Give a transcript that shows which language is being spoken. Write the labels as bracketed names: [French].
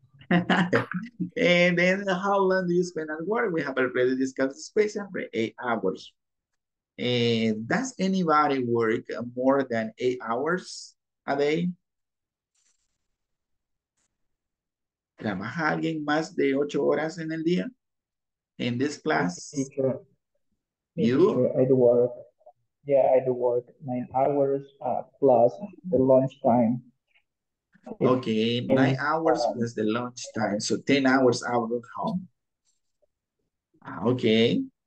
[English] And then how long do you spend at work? We have already discussed this question for 8 hours. And does anybody work more than 8 hours a day? [Spanish] ¿Trabaja alguien más de 8 horas en el día? [English] In this class, you? I do work. Yeah, I do work 9 hours plus the lunch time. Okay, 9 hours plus the lunch time. So 10 hours out of home. Okay.